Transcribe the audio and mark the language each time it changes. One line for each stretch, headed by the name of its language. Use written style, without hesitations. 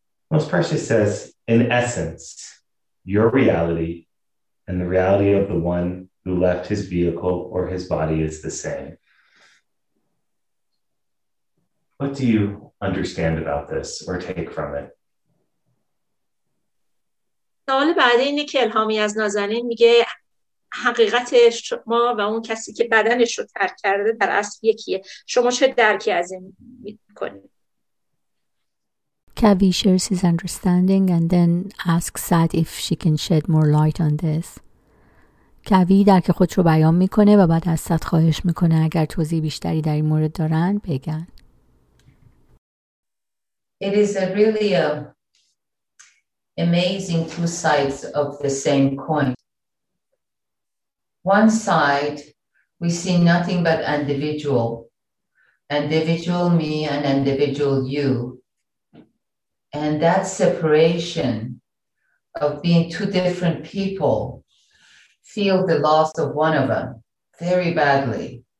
English: Most Precious says, in essence, your reality and the reality of the one who left his vehicle or his body is the same. What do you understand about this or take from it?
Persian: سوال بعدی اینه که الهامی از نازنین میگه حقیقت شما و اون کسی که بدنش رو ترک کرده در اصل یکیه. شما چه درکی از این میکنید؟
English: Kavi shares his understanding and then asks Sat if she can shed more light on this.
Persian: Kavi درک خود رو بیان میکنه و بعد از Sat خواهش میکنه اگر توضیح بیشتری در این مورد دارن بگن.
English: It is a really amazing two sides of the same coin. One side, we see nothing but individual. Individual me and individual you. And that separation of being two different people feel the loss of one of them very badly.